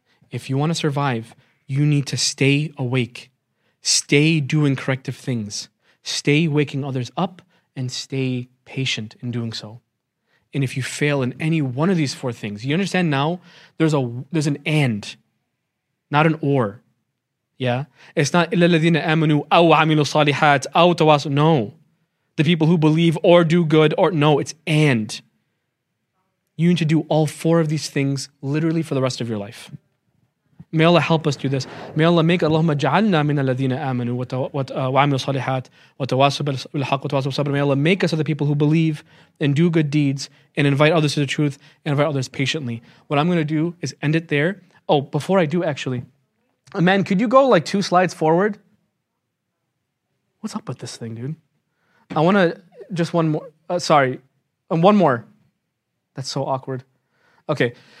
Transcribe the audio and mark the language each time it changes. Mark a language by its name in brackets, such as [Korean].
[English] If you want to survive, you need to stay awake. Stay doing corrective things. Stay waking others up and stay patient in doing so. And if you fail in any one of these four things, you understand now there's an and, not an or. Yeah, it's not [Arabic] إِلَّا الَّذِينَ آمَنُوا أَوْ عَمِلُوا الصَّالِحَاتِ أَوْ تَوَاصَوْا. [English] No, the people who believe or do good or no, it's and. You need to do all four of these things literally for the rest of your life. May Allah help us do this. May Allah make [Arabic] اللهم جعلنا من الذين آمنوا وعملوا الصالحات وتواصوا بالحق وتواصوا بالصبر. [English] May Allah make us of the people who believe and do good deeds and invite others to the truth and invite others patiently. What I'm going to do is end it there. Oh, before I do actually, man, could you go like two slides forward? What's up with this thing, dude? I want to just one more. One more. That's so awkward. Okay.